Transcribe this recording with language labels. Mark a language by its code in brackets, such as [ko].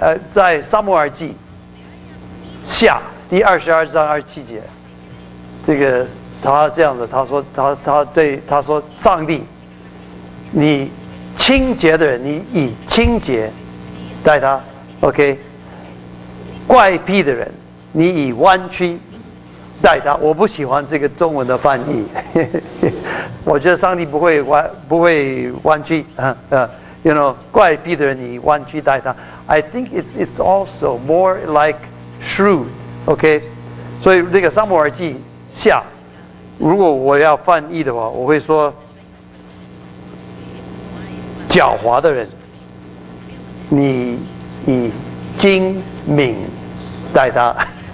[zh] 在撒母耳记下第22:27，这个他这样子，他说他对他说，上帝，你清洁的人，你以清洁待他 ，OK？怪癖的人，你以弯曲待他。我不喜欢这个中文的翻译，我觉得上帝不会弯曲啊啊 ， [en] You know， [zh] 怪癖的人你弯曲待他。 [en] I think it's also more like shrewd，OK？、Okay? [zh] 所以那个撒母耳记下，如果我要翻译的话，我会说，狡猾的人，你以精明待他。